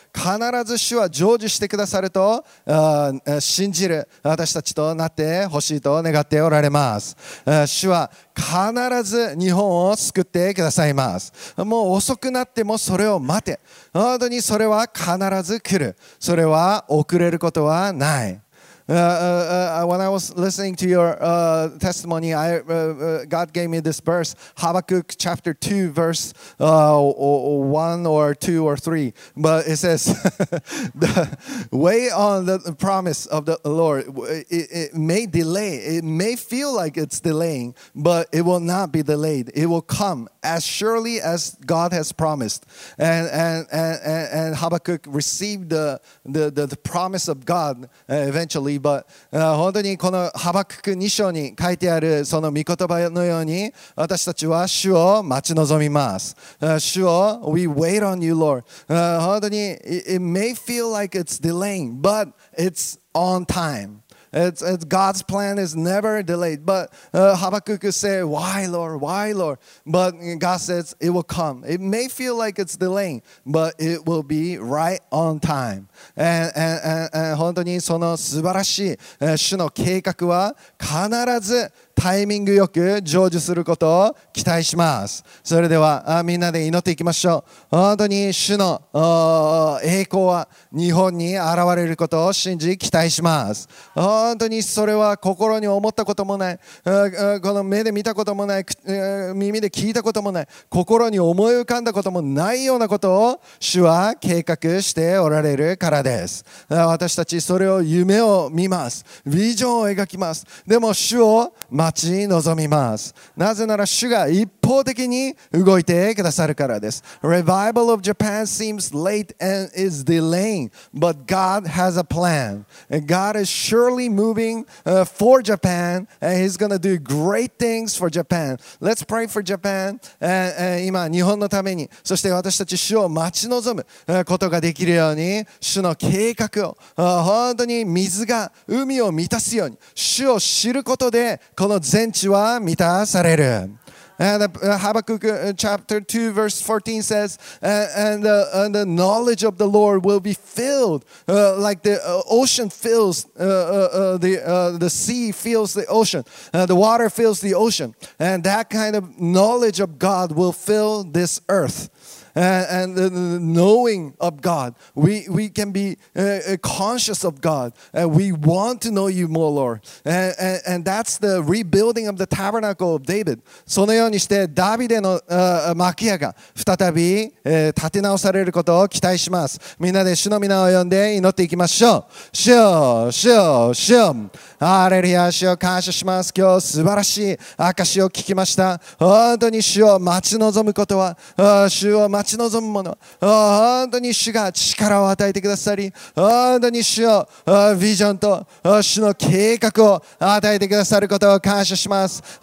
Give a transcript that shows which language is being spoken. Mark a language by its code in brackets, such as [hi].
[ja] 必ず主は成就してくださると信じる私たちとなってほしいと願っておられます。主は必ず日本を救ってくださいます。もう遅くなってもそれを待て、本当にそれは必ず来る、それは遅れることはない。 [en] When I was listening to your testimony, God gave me this verse, Habakkuk chapter 2, verse 1 or 2 or 3. But it says, the wait on the promise of the Lord. It may delay. It may feel like it's delaying, but it will not be delayed. It will come as surely as God has promised. And Habakkuk received the promise of God eventually. But, [ja] 本当にこのハバクク2章に書いてあるその御言葉のように私たちは主を待ち望みます。主を [en] We wait on you, Lord. [ja] 本当に [en] It may feel like it's delaying, but it's on time. It's God's plan is never delayed. But Habakkuk say, Why, Lord? Why, Lord? But God says, It will come. It may feel like it's delaying, but it will be right on time. And [ja] 本当にその素晴らしい主の計画は必ずタイミングよく成就することを期待します。それではみんなで祈っていきましょう。本当に主の栄光は日本に現れることを信じ期待します。本当にそれは心に思ったこともない、この目で見たこともない、耳で聞いたこともない、心に思い浮かんだこともないようなことを主は計画しておられるからです。私たちそれを夢を見ます、ビジョンを描きます。でも主を待ち望みます。なぜなら主が一方的に動いてくださるからです。 [en] Revival of Japan seems late and is delaying, but God has a plan. God is surely moving for Japan and he's gonna do great things for Japan. Let's pray for Japan. [ja] 今日本のために、そして私たち主を待ち望むことができるように、主の計画を、本当に水が海を満たすように、主を知ることでこの全地は満たされる。 [en] And Habakkuk chapter 2 verse 14 says, and the knowledge of the Lord will be filled like the ocean fills the sea fills the ocean, the water fills the ocean, and that kind of knowledge of God will fill this earth. And the knowing of God, we can be conscious of God, and we want to know you more, Lord. And that's the rebuilding of the tabernacle of David. [ja] そのようにしてダビデの幕屋が再び建て直されることを期待します。みんなで主の名を呼んで祈っていきましょう。主よ、主よ、主よ、ハレルヤ、主よ感謝します。今日素晴らしい証を聞きました。本当に主を待ち望むことは、主を待ち望むもの、本当に主が力を与えてくださり、本当に主をビジョンと主の計画を与えてくださることを感謝します。